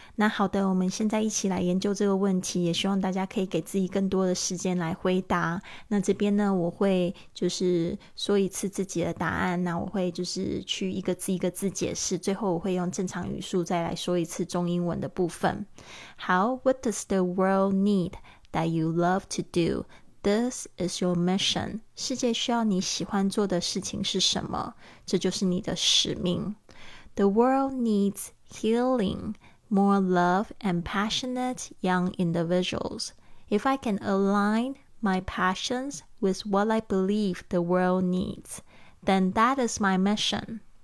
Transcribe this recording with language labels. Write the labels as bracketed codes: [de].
[zh] 那好的，我们现在一起来研究这个问题，也希望大家可以给自己更多的时间来回答。那这边呢我会就是说一次自己的答案，那我会就是去一个字一个字解释，最后我会用正常语速再来说一次中英文的部分。 [en] 好， What does the world need that you love to do? This is your mission. [zh] 世界需要你喜欢做的事情是什么？这就是你的使命。 [en] The world needs healing, more love and passionate young individuals. If I can align my passions with what I believe the world needs, then that is my mission.